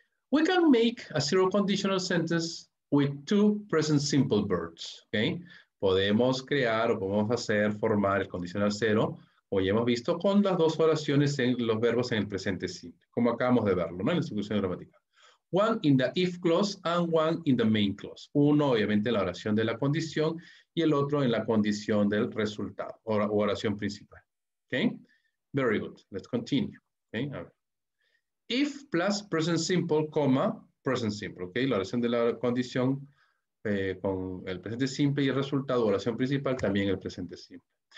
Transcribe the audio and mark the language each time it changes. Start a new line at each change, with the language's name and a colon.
English: We can make a zero conditional sentence with two present simple verbs, ¿okay?
Spanish: Podemos crear o podemos formar el condicional cero, como ya hemos visto, con las dos oraciones en los verbos en el presente simple, como acabamos de verlo, ¿no? En la sustitución gramatical.
English: One in the if clause and one in the main clause.
Spanish: Uno, obviamente, en la oración de la condición y el otro en la condición del resultado o oración principal, ¿okay?
English: Very good. Let's continue, ¿okay?
Spanish: A ver.
English: If plus present simple, comma, present simple, ¿ok?
Spanish: La oración de la condición con el presente simple y el resultado, oración principal, también el presente simple.